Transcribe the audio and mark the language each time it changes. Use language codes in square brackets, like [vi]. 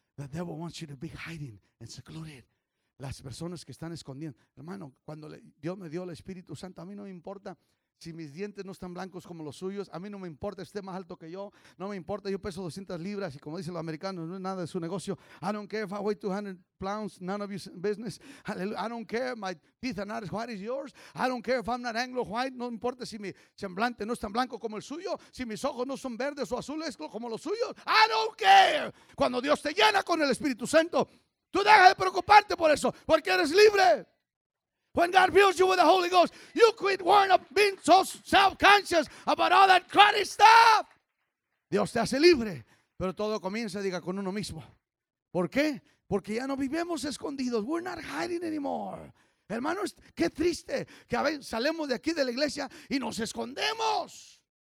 [en] The devil wants you to be hiding and secluded. [es] Las personas que están escondiendo. Hermano, cuando Dios me dio el Espíritu Santo, a mí no me importa si mis dientes no están blancos como los suyos. A mí no me importa si esté más alto que yo. No me importa. Yo peso 200 libras y como dicen los americanos, no es nada de su negocio. [en] I don't care if I weigh 200 pounds. None of your business. Hallelujah. I don't care if my teeth are not as white as yours. I don't care if I'm not Anglo-White. [es] No importa si mi semblante no es tan blanco como el suyo. Si mis ojos no son verdes o azules como los suyos. [en] I don't care. [es] Cuando Dios te llena con el Espíritu Santo, tú dejas de preocuparte por eso porque eres libre. [en] When God fills you with the Holy Ghost, you quit worrying about being so self-conscious about all that cruddy stuff. [es] Dios te hace libre, pero todo comienza, diga, con uno mismo. ¿Por qué? Porque ya no vivimos escondidos. [en] We're not hiding anymore. [es] Hermanos, qué triste que a veces salimos de aquí de la iglesia y nos escondemos.